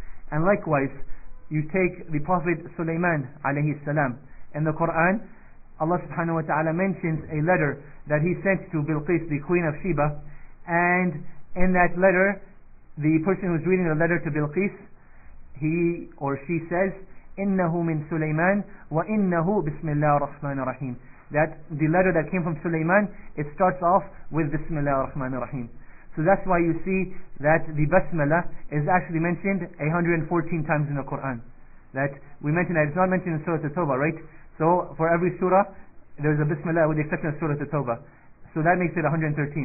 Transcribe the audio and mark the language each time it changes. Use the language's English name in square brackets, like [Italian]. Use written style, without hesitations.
[English] And likewise, you take the Prophet Sulaiman alayhi salam. In the Quran, Allah subhanahu wa ta'ala mentions a letter that he sent to Bilqis, the queen of Sheba. And in that letter, the person who's reading the letter to Bilqis, he or she says, [Arabic] إنه من سليمان وإنه بسم الله الرحمن الرحيم. [English] That the letter that came from Sulaiman, it starts off with Bismillah ar-Rahman ar-Rahim. So that's why you see that the Basmala is actually mentioned 114 times in the Quran. That we mentioned that it's not mentioned in Surah At-Tawbah, right? So for every surah, there's a Bismillah with the exception of Surah At-Tawbah. So that makes it 113.